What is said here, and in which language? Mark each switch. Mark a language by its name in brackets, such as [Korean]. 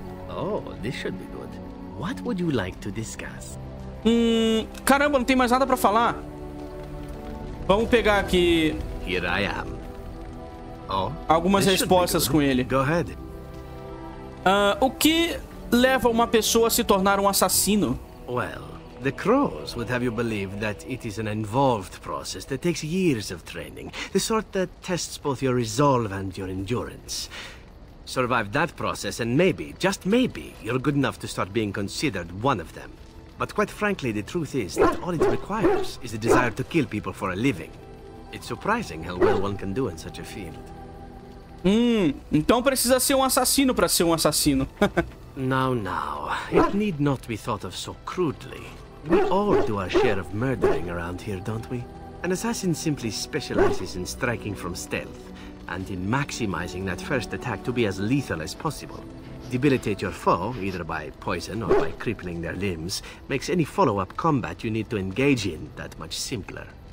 [English] Oh, this should be good. What would you like to discuss? [Portuguese] Caramba, não tem mais nada pra falar. Vamos pegar aqui. [English] Here I am. [Portuguese] Oh, algumas respostas com ele. [English] Go ahead. [Portuguese] O que leva uma pessoa a se tornar um assassino? [English] Well, the crows would have you believe that it is an involved process that takes years of training, the sort that tests both your resolve and your endurance. Survive that process and maybe, just maybe, you're good enough to start being considered one of them. But quite frankly, the truth is that all it requires is a desire to kill people for a living. It's surprising how well one can do in such a field. [Portuguese] Então precisa ser um assassino para ser um assassino. [English] Now, it need not be thought of so crudely. We all do our share of murdering around here, don't we? An assassin simply specializes in striking from stealth and in maximizing that first attack to be as lethal as possible. Debilitate your foe, either by poison or by crippling their limbs, makes any follow-up combat you need to engage in that much simpler.